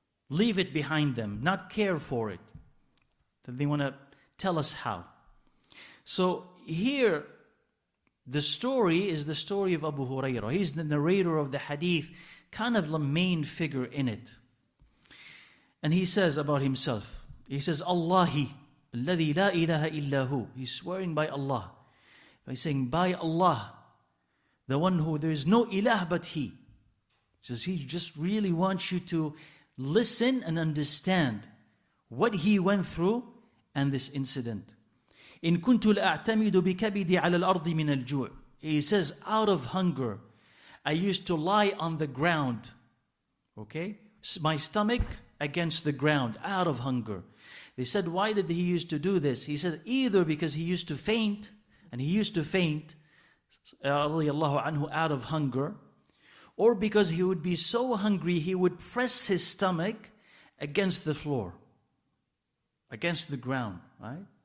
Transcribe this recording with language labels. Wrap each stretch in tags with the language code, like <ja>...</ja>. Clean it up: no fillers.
<en>Leave it behind them. Not care for it. Then they want to tell us how. So here, the story is the story of Abu Huraira. He's the narrator of the hadith. Kind of the main figure in it. And he says about himself. He says, Allahi,</en> <ar>الذي لا إله إلا هو.</ar> <en>He's swearing by Allah. By saying, by Allah, the one who there is no ilah but He. Says He just really wants you to listen and understand what He went through and this incident.</en> <ar>إن كنت لأعتمد بكبدي على الأرض من الجوع.</ar> <en>He says, out of hunger, I used to lie on the ground. Okay? My stomach against the ground, out of hunger. They said, why did he used to do this? He said, either because he used to faint, and he used to faint, radiallahu anhu, out of hunger, or because he would be so hungry, he would press his stomach against the floor, against the ground, right?</en>